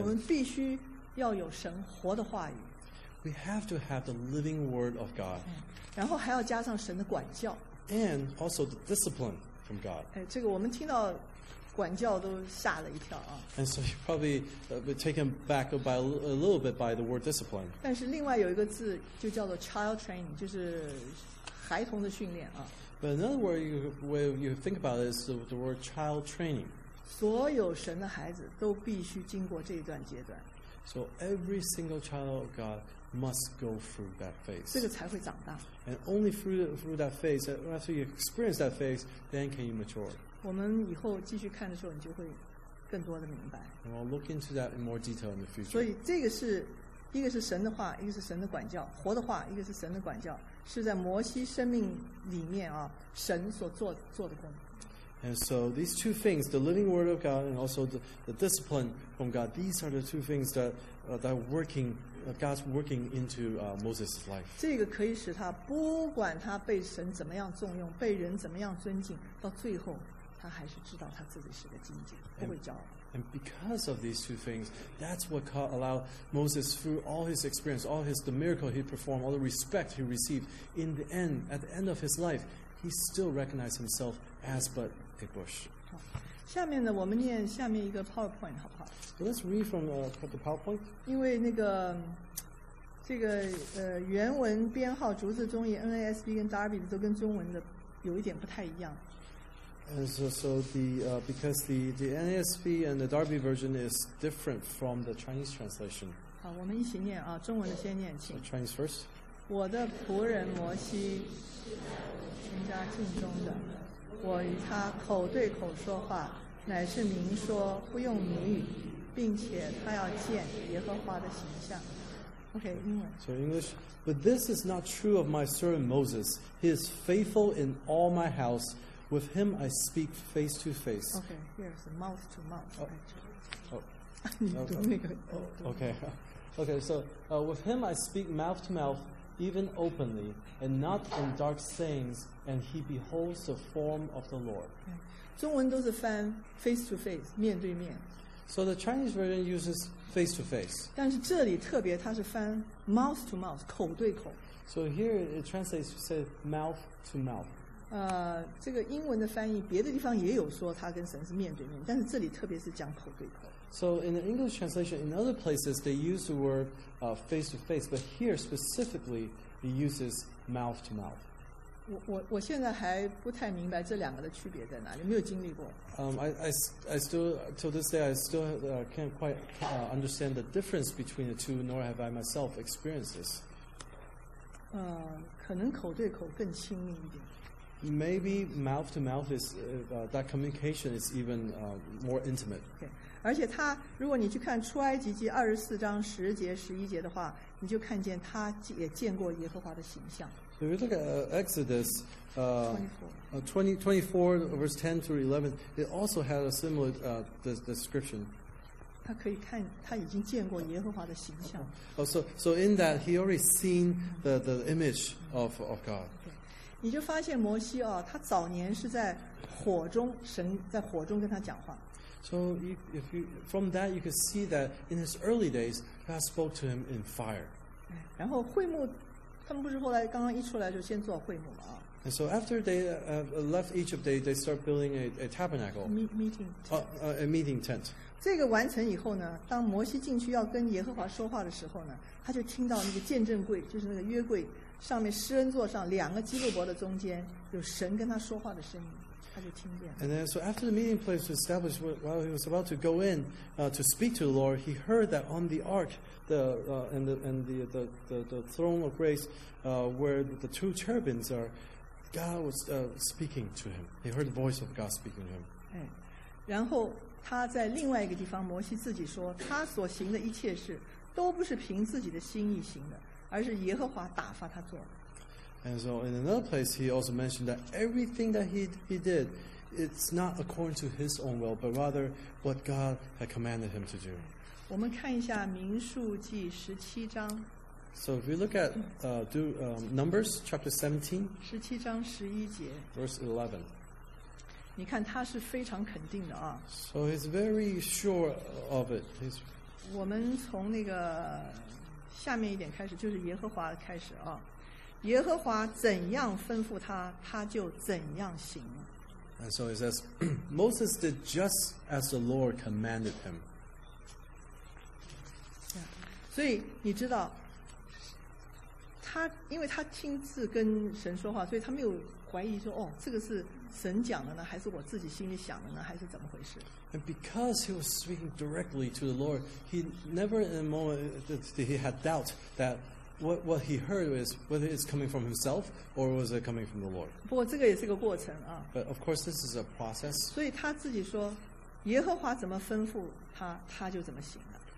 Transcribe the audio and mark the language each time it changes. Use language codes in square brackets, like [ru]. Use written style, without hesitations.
[zh] 我们必须要有神活的话语。 [en] We have to have the living word of God. [zh] 然后还要加上神的管教。 [en] And also the discipline from God. [zh] 这个我们听到管教都吓了一跳啊。 [en] And so you're probably taken back by a little bit by the word discipline. [zh] 但是另外有一个字就叫做 [en] child training, [zh] 就是孩童的训练啊。 [en] But another word you think about is the word child training. [zh] 所有神的孩子都必须经过这一段阶段。 [en] So every single child of God must go through that phase. [zh] 这个才会长大。 [en] And only through that phase, after you experience that phase, then can you mature. [zh] 我们以后继续看的时候，你就会更多的明白。 [en] And we'll look into that in more detail in the future. [zh] 所以这个是一个是神的话，一个是神的管教。活的话，一个是神的管教，是在摩西生命里面啊，神所做的工。 [en] And so these two things, the living word of God and also the discipline from God, these are the two things that, that working, God's working into Moses' life. [zh] 这个可以使他不管他被神怎么样重用，被人怎么样尊敬，到最后他还是知道他自己是个精简，不会骄傲。 [en] And because of these two things, that's what allowed Moses through all his experience, all his, the miracle he performed, all the respect he received, in the end, at the end of his life, he still recognized himself as but a bush. [zh] 下面呢，我们念下面一个 PowerPoint 好不好？ [en] Let's read from the PowerPoint. [zh] 因为那个这个原文编号逐字中译 NASB 跟 Darby 都跟中文的有一点不太一样。 [en] And so the because the NASB and the Darby version is different from the Chinese translation. [zh] 好，我们一起念啊，中文的先念，请。 [en] Chinese first. [zh] 我的仆人摩西，全家敬忠的。我与他口对口说话，乃是明说，不用谜语，并且他要见耶和华的形象。 OK， 英文。 [en] So English, but this is not true of my servant Moses. He is faithful in all my house. With him I speak face to face. OK, here's mouth to mouth. Oh, oh. [zh] 你读那个。 [en] OK, OK. So with him I speak mouth to mouth. Even openly, and not in dark sayings, and he beholds the form of the Lord. [zh] 中文都是翻 [en] face to face, [zh] 面对面。 [en] So the Chinese version uses face to face. [zh] 但是这里特别它是翻 [en] mouth to mouth, [zh] 口对口。 [en] So here it translates to say mouth to mouth. [zh] 这个英文的翻译别的地方也有说他跟神是面对面，但是这里特别是讲口对口。 [en] So in the English translation, in other places, they use the word face to face, but here specifically, it uses mouth to mouth. [zh] 我现在还不太明白这两个的区别在哪里，没有经历过。 [en] I still, till this day, I still can't quite understand the difference between the two, nor have I myself experienced this. [zh] 可能口对口更亲密一点。 [en] Maybe mouth to mouth is that communication is even more intimate. Okay. [zh] 而且他，如果你去看出埃及记二十四章十节、十一节的话，你就看见他也见过耶和华的形象。 [en] So if you look at Exodus, 24 verse 10 through 11, it also had a similar description. [zh] 他可以看，他已经见过耶和华的形象。 [en] Oh, so in that he already seen the image of God. [zh] 你就发现摩西啊，他早年是在火中，神在火中跟他讲话。 [en] So if you, from that you can see that in his early days, God spoke to him in fire. [zh] 然后会幕，他们不是后来刚刚一出来就先做会幕了啊。 [en] And so after they left Egypt, they start building a tabernacle. A meeting tent. [zh] 这个完成以后呢，当摩西进去要跟耶和华说话的时候呢，他就听到那个见证柜，就是那个约柜上面施恩座上两个基路伯的中间有神跟他说话的声音。 [en] And then, so after the meeting place was established, while he was about to go in to speak to the Lord, he heard that on the ark, the throne of grace, where the two cherubims are, God was speaking to him. He heard the voice of God speaking to him. [zh] 然后他在另外一个地方，摩西自己说，他所行的一切事都不是凭自己的心意行的，而是耶和华打发他做的。 [en] And so in another place, he also mentioned that everything that he did, it's not according to his own will, but rather what God had commanded him to do. [zh] 我们看一下民数记十七章。 [en] So if you look at Numbers chapter 17, [zh] 十七章十一节 [en] verse 11, [zh] 你看他是非常肯定的啊。 [en] So he's very sure of it. [zh] 我们从那个下面一点开始，就是耶和华开始啊。耶和华怎样吩咐他，他就怎样行。 [en] And so he says, Moses did just as the Lord commanded him. [zh] 所以你知道，他因为他亲自跟神说话，所以他没有怀疑说，哦，这个是神讲的呢，还是我自己心里想的呢，还是怎么回事？ [en] And because he was speaking directly to the Lord, he never in a moment did he have doubt that. what he heard is whether it's coming from himself or was it coming from the Lord. [zh] 不过这个也是个过程啊。 [en] But of course, this is a process. [zh] 所以他自己说，耶和华怎么吩咐他，他就怎么行了。